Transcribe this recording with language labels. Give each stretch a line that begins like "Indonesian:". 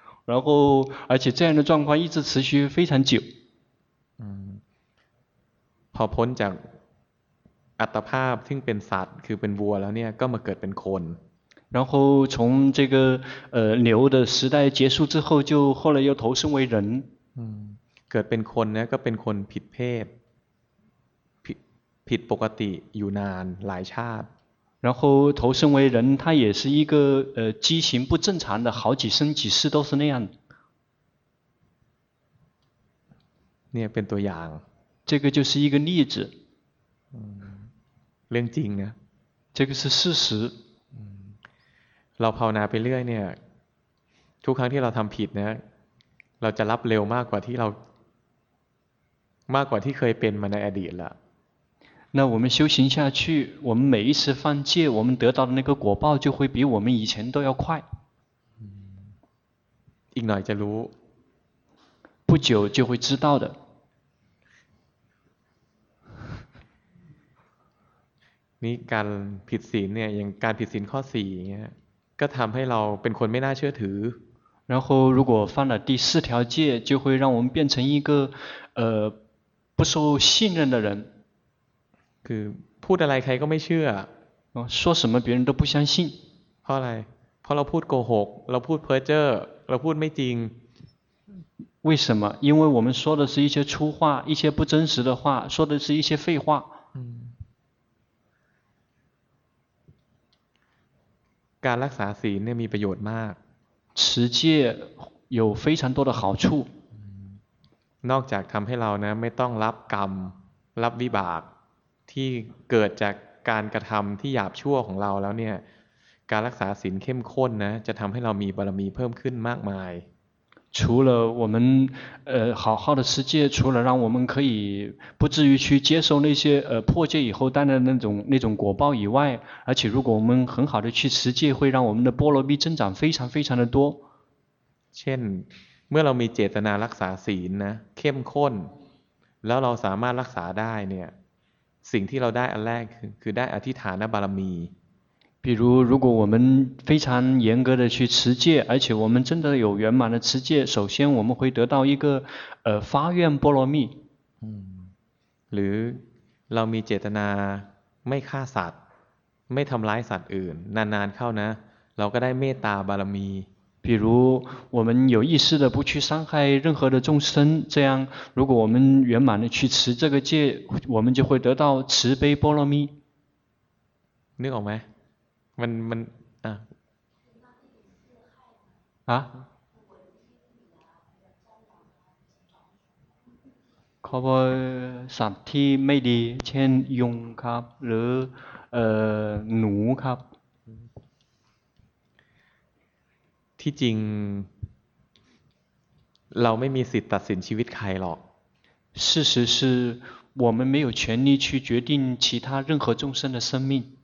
Chinese: 然后而且这样的状况一直持续非常久
Thai: พอพ้นจากอัตภาพซึ่งเป็นสัตว์คือเป็นวัวแล้วเนี่ยก็มาเกิดเป็นคน
Chinese: 然后从这个牛的时代结束之后就后来又投生为人
Thai: เกิดเป็นคนเนี่ยก็เป็นคนผิดเพศผิดปกติอยู่นานหลายชาติ
Chinese: 然后投生为人他也是一个畸形不正常的好几生几世都是那样
Thai: เนี่ยเป็นตัวอย่าง
Chinese: 这个就是一个例子
Thai: เรื่องจริงนะ
Chinese: 这个是事实。
Thai: เราภาวนาไปเรื่อยเนี่ยทุกครั้งที่เราทำผิดเนี่ยเราจะรับเร็วมากกว่าที่เรามากกว่าที่เคยเป็นมาในอดีตละ
Chinese: 那我们修行下去，我们每一次犯戒，我们得到的那个果报就会比我们以前都要快。
Thai: อีกหน่อยจะรู้
Chinese: 不久就会知道的。
Thai: นี่การผิดศีลเนี่ยอย่างการผิดศีลข้อ4เงี้ยก็ทำให้เราเป็นคนไม่น่าเชื่อถือ
Chinese: 然后如果犯了第四条戒就会让我们变成一个不受信任的人
Thai: คือพูดอะไรใครก็ไม่เชื่
Chinese: อ说什么别人都不相信
Thai: เพราะอะไรเพราะเราพูดโกหกเราพูดเพ้อเจ้อเราพูดไม่จริง
Chinese: 为什么因为我们说的是一些粗话一些不真实的话说的是一些废话
Thai: การรักษาศีลเนี่ยมีประโยชน์มาก
Chinese: 持戒有非常多的好处
Thai: นอกจากทำให้เรานะไม่ต้องรับกรรมรับวิบากที่เกิดจากการกระทำที่หยาบชั่วของเราแล้วเนี่ยการรักษาศีลเข้มข้นนะจะทำให้เรามีบารมีเพิ่มขึ้นมากมาย
Chinese: 除了我们好好的持戒除了让我们可以不至于去接受那些破戒以后带来的那种果报以外而且如果我们很好的去持戒会让我们的波罗蜜增长非常非常的多
Thai: เช่นเมื่อเรามีเจตนารักษาศีลนะเข้มข้นแล้วเราสามารถรักษาได้เนี่ยสิ่งที่เราได้อันแรกคือได้อธิษฐานบารมี
Chinese: 比如如果我们非常严格的去持戒而且我们真的有圆满的持戒首先我们会得到一个发愿波罗蜜
Thai: หรือเรามีเจตนาไม่ฆ่าสัตว์ไม่ทำร้ายสัตว์อื่นนานๆเข้านะเราก็ได้เมตตาบารมี
Chinese: 比如我们有意识的不去伤害任何的众生这样如果我们圆满的去持这个戒我们就会得到慈悲波罗蜜
Thai: นึกออกไหมมัน เขาบอกสัตว์ที่ไม่ดีเช่นยุงครับหรือหนูครับ ที่จริงเราไม่มีสิทธิ์ตัดสินชีวิตใครหรอก
Chinese: 事实是我们没有权利去决定其他任何众生的生命